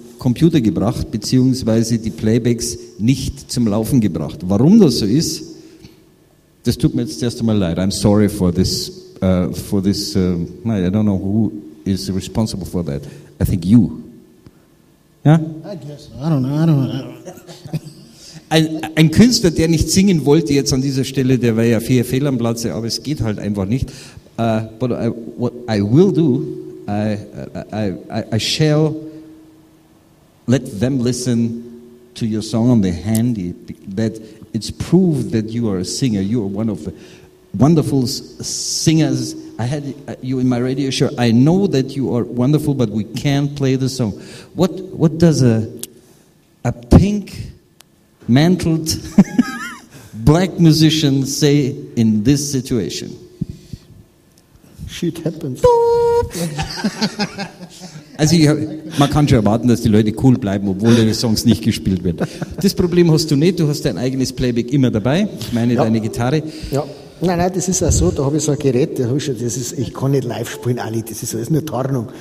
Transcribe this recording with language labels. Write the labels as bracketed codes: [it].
[de] Computer gebracht, beziehungsweise die Playbacks nicht zum Laufen gebracht. Warum das so ist, das tut mir jetzt erst einmal leid. [en] I'm sorry for this, I don't know who is responsible for that. I think you. Ja? I guess so. I don't know. [de] Ein Künstler, der nicht singen wollte jetzt an dieser Stelle, der war ja viel fehl am Platze, aber es geht halt einfach nicht. [en] But what I will do, I shall let them listen to your song on the handy, that it's proved that you are a singer. You are one of the wonderful singers. I had you in my radio show. I know that you are wonderful, but we can't play the song. What does a pink mantled black musician say in this situation? Shit happens. [de] Also man kann schon erwarten, dass die Leute cool bleiben, obwohl deine Songs nicht gespielt werden. Das Problem hast du nicht, du hast dein eigenes Playback immer dabei, ich meine ja. Deine Gitarre. Ja, nein, das ist auch so, da habe ich so ein Gerät, da hab ich, schon, das ist, ich kann nicht live spielen, auch nicht, das ist alles nur Tarnung.